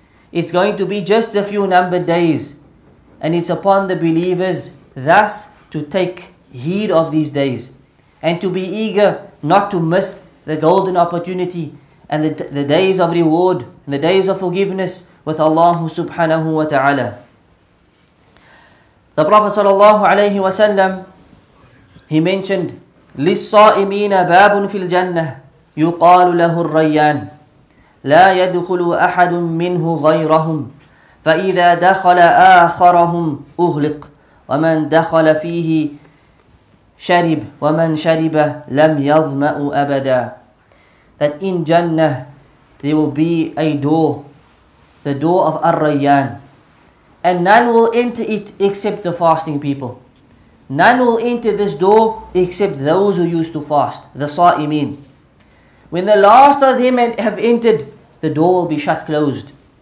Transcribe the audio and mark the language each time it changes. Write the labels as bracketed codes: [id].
[en] It's going to be just a few numbered days. And it's upon the believers thus to take heed of these days and to be eager not to miss the golden opportunity and the days of reward and the days of forgiveness with Allah subhanahu wa ta'ala. The Prophet sallallahu alayhi wa sallam, he mentioned, [ar] لِلصَّائِمِينَ بَابٌ فِي الْجَنَّةِ يُقَالُ لَهُ الرَّيَّانِ لا يدخل أحد منه غيرهم فإذا دخل آخرهم أغلق ومن دخل فيه شرب ومن شرب لم يظمأ أبدا. [en] That in Jannah there will be a door, the door of Ar-Rayyan, and none will enter it except the fasting people. None will enter this door except those who used to fast, the Sa'imin. When the last of them have entered, the door will be shut closed.